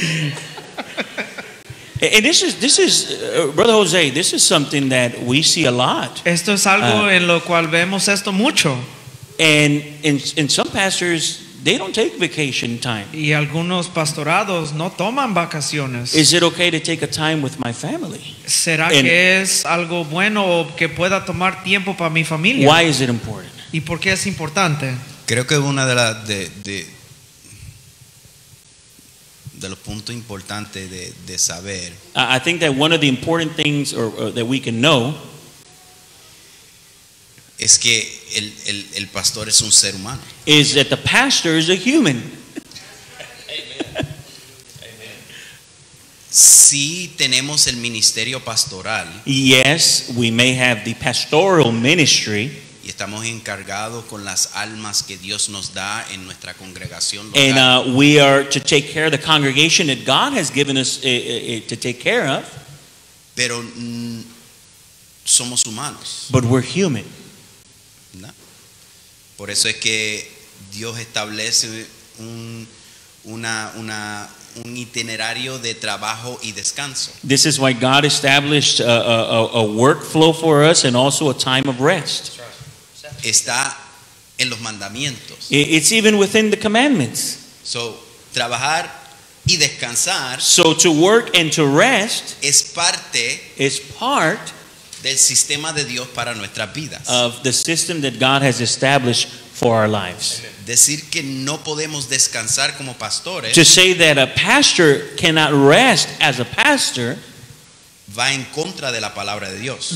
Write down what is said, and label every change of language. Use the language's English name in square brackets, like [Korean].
[English] And this is Brother Jose, this is something that we see a lot. [Spanish] Esto es algo en lo cual vemos esto mucho. [English] And in some pastors, they don't take vacation time. [Spanish] Y algunos pastorados no toman vacaciones. [English] Is it okay to take a time with my family? [Spanish] ¿Será que es algo bueno que pueda tomar tiempo para mi familia? [English] Why is it important? [Spanish] ¿Y por qué es importante? Creo que una de las de los puntos importantes de saber. [English] I think that one of the important things or that we can know [Spanish] es que el pastor es un ser humano. [English] Is that the pastor is a human. Amen. Amen. [Spanish] Si tenemos el ministerio pastoral. [English] Yes, we may have the pastoral ministry. [Spanish] Y estamos encargados con las almas que Dios nos da en nuestra congregación local. [English] And we are to take care of the congregation that God has given us to take care of. [Spanish] Pero somos humanos. [English] But we're human. [Spanish] ¿No? Por eso es que Dios establece un itinerario de trabajo y descanso. [English] This is why God established a workflow for us and also a time of rest. [Spanish] Está en los mandamientos. [English] It's even within the commandments. [Spanish] So, trabajar y descansar. [English] So, to work and to rest [Spanish] es parte [English] is part [Spanish] del sistema de Dios para nuestras vidas. [English] Of the system that God has established for our lives. [Spanish] Decir que no podemos descansar como pastores. [English] To say that a pastor cannot rest as a pastor [Spanish] va en contra de la palabra de Dios.